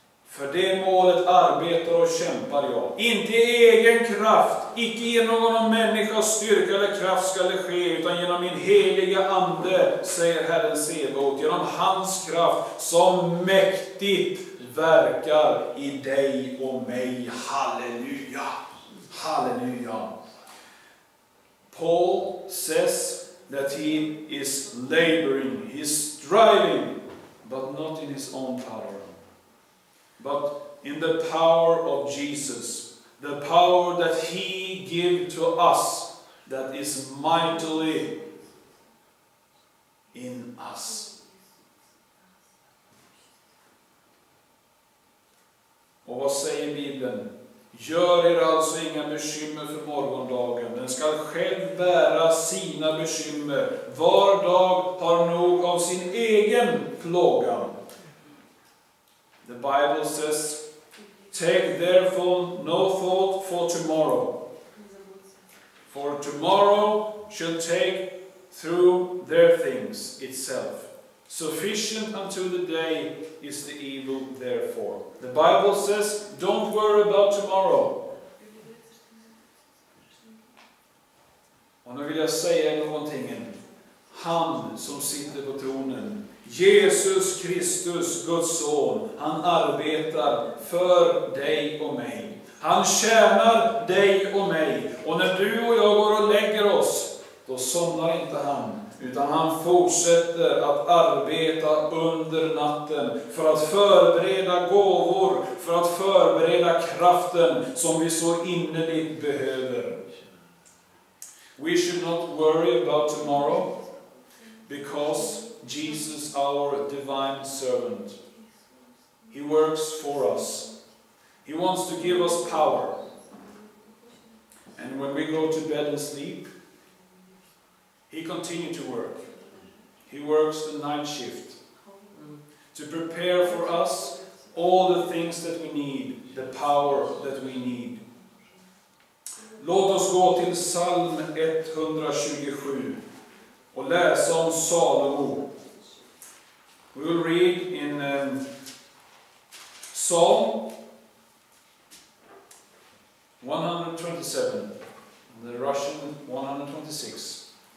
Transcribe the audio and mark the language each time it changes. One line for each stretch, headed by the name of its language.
Swedish: För det målet arbetar och kämpar jag. Inte i egen kraft, icke genom någon människas styrka eller kraft ska det ske, utan genom min heliga ande, säger Herren Sebaot, genom hans kraft som mäktigt verkar i dig och mig. Halleluja! Halleluja!
English: Paul says that he is laboring, he is striving, but not in his own power, but in the power of Jesus, the power that he gave to us, that is mightily in us.
Swedish: Och vad säger Bibeln? Gör er alltså inga bekymmer för morgondagen. Den ska själv bära sina bekymmer. Var dag har nog av sin egen plåga.
English: The Bible says, take therefore no thought for tomorrow. For tomorrow shall take through their things itself. Sufficient unto the day is the evil therefore. The Bible says, don't worry about tomorrow.
Swedish: Och nu vill jag säga någonting. Han som sitter på tronen, Jesus Kristus, Guds son, han arbetar för dig och mig. Han tjänar dig och mig. Och när du och jag går och lägger oss, då somnar inte han. Utan han fortsätter att arbeta under natten för att förbereda gåvor, för att förbereda kraften som vi så innerligt behöver.
English: We should not worry about tomorrow because Jesus, our divine servant, he works for us. He wants to give us power. And when we go to bed and sleep, he continued to work. He works the night shift to prepare for us all the things that we need, the power that we need.
Swedish: Låt oss gå till psalm 127 och läsa om Salomo.
English: We will read in Psalm 127, the Russian 126.